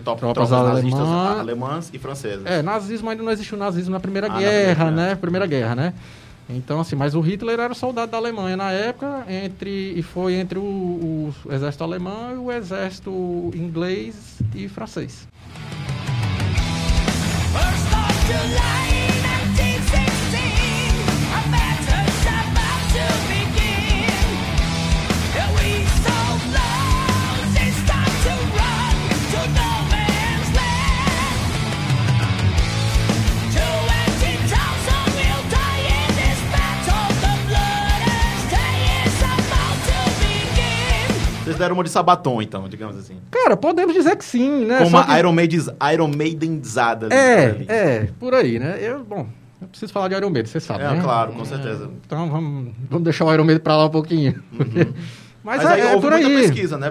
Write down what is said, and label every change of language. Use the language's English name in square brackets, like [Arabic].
[Portuguese] Entre tropas alemãs e francesas. Nazismo ainda não existiu, nazismo na Primeira Guerra, né? Primeira Guerra, né? Então, assim, mas o Hitler era soldado da Alemanha na época, entre o exército alemão e o exército inglês e francês. [English] July 1916, a battle's about to begin. We sold lows, it's time to run to no man's land. 20,000 will die in this battle, the bloodiest day is about to begin. [Portuguese] Vocês deram uma de Sabaton, então, digamos assim. Cara, podemos dizer que sim, né? Como que... Iron Maidenzada. Por aí, né? Eu preciso falar de Iron Maiden, você sabe, né? Claro, com certeza. Então, vamos deixar o Iron Maiden pra lá um pouquinho. Uhum. Mas houve muita pesquisa, né?